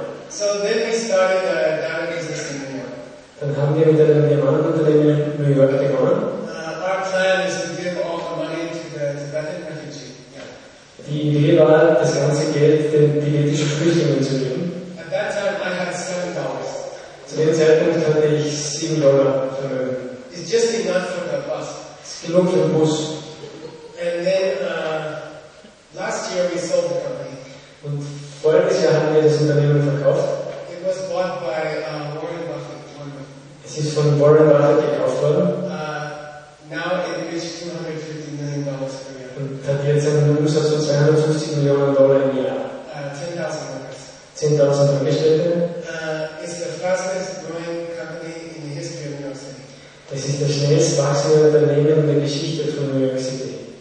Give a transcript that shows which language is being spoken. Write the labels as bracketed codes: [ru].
[en] So then we started a diamond business in New York. [de] Dann haben wir mit einem Diamantenunternehmen in New York begonnen. [en] Our plan is to give all the money to the Tibetan refugee. Yeah. [de] Die Idee war, das ganze Geld den tibetischen Flüchtlingen zu geben. [en] At that time I had $7. [de] Zu dem Zeitpunkt hatte ich $7 Vermögen. [en] It's just enough for the bus. [de] Es ist genug für den Bus. [en] And then last year we sold the company. [de] Und voriges Jahr haben wir das Unternehmen verkauft. [en] It was bought by Warren Buffett. Warren. [de] Es ist von Warren Buffett gekauft worden. [en] Now it reached $250 million per year. [de] Und hat jetzt einen Umsatz von $250 million im Jahr. [en] 10,000 workers. [de] 10,000 Angestellte. [en] It's the fastest growing company in the history of New York City. [de] Das ist das schnellst wachsende Unternehmen in der Geschichte von New York City.